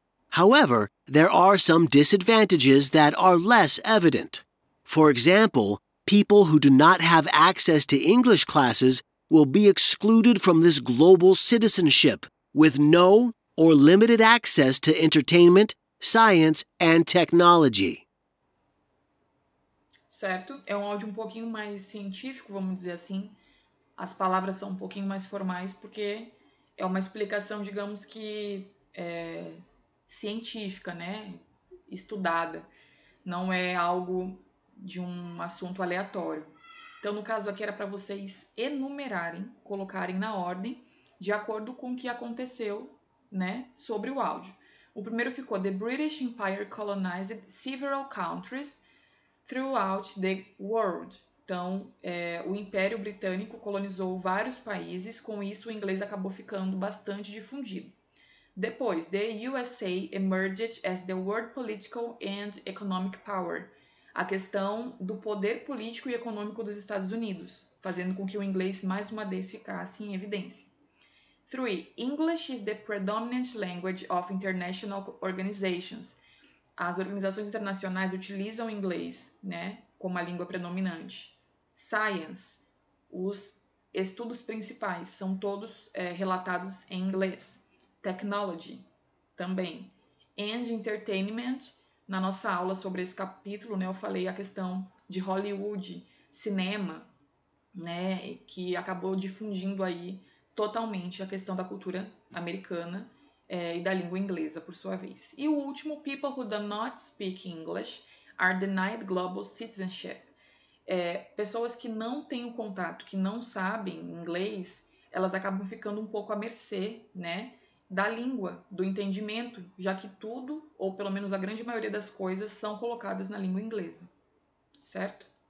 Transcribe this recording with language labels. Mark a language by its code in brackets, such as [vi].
[en] However, there are some disadvantages that are less evident. For example, people who do not have access to English classes will be excluded from this global citizenship with no or limited access to entertainment, science, and technology. [pt] Certo? É um áudio um pouquinho mais científico, vamos dizer assim. As palavras são um pouquinho mais formais porque é uma explicação, digamos que, científica, né? Estudada. Não é algo de um assunto aleatório. Então, no caso aqui, era para vocês enumerarem, colocarem na ordem, de acordo com o que aconteceu, né, sobre o áudio. O primeiro ficou: [en] the British Empire colonized several countries throughout the world. [pt] Então, o Império Britânico colonizou vários países, com isso o inglês acabou ficando bastante difundido. Depois, [en] the USA emerged as the world political and economic power. [pt] A questão do poder político e econômico dos Estados Unidos, fazendo com que o inglês mais uma vez ficasse em evidência. 3. [en] English is the predominant language of international organizations. [pt] As organizações internacionais utilizam o inglês, né, como a língua predominante. Science. Os estudos principais são todos relatados em inglês. Technology. Também. [en] And entertainment. [pt] Na nossa aula sobre esse capítulo, né, eu falei a questão de Hollywood, cinema, né, que acabou difundindo aí totalmente a questão da cultura americana e da língua inglesa, por sua vez. E o último, [en] people who do not speak English are denied global citizenship. [pt] Pessoas que não têm o contato, que não sabem inglês, elas acabam ficando um pouco à mercê, né, da língua, do entendimento, já que tudo, ou pelo menos a grande maioria das coisas, são colocadas na língua inglesa, certo?